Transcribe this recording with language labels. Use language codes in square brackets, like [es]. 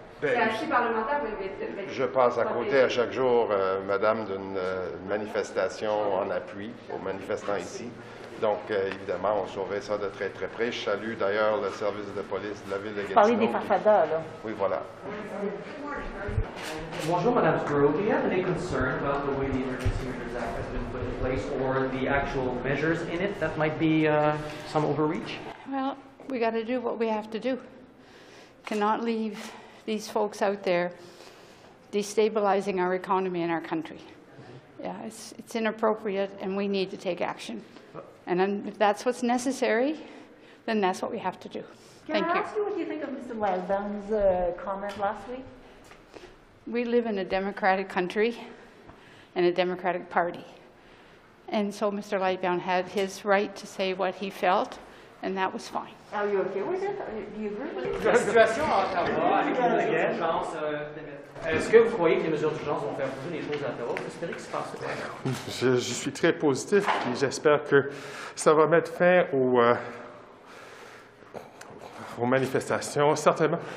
[fr] Ben, je passe à côté à chaque jour, madame, d'une manifestation en appui aux manifestants ici. Donc, évidemment, on surveille ça de très, très près. Je salue d'ailleurs le service de police de la ville de Gatineau. Vous parlez des farfadas, là. Oui, voilà. Bonjour, madame Trudeau. [en] Do you have any concern about the way the Emergencies Act has been put in place or the actual measures in it that might be some overreach? Well, we got to do what we have to do. Cannot leave these folks out there destabilizing our economy and our country. Mm-hmm. Yeah, it's inappropriate and we need to take action. And if that's what's necessary, then that's what we have to do. Thank you. Can I ask you what you think of Mr. Wildbaum's comment last week? We live in a democratic country and a democratic party. And so Mr. Lightbound had his right to say what he felt, and that was fine. Are you okay with it? Do you agree with it? [fr] La situation à Ottawa, avec les mesures d'urgence, est-ce que vous croyez que les mesures d'urgence vont faire bouger les choses à Ottawa? Vous espérez que ça se passe quoi? Je suis très positif et j'espère que ça va mettre fin aux manifestations, certainement.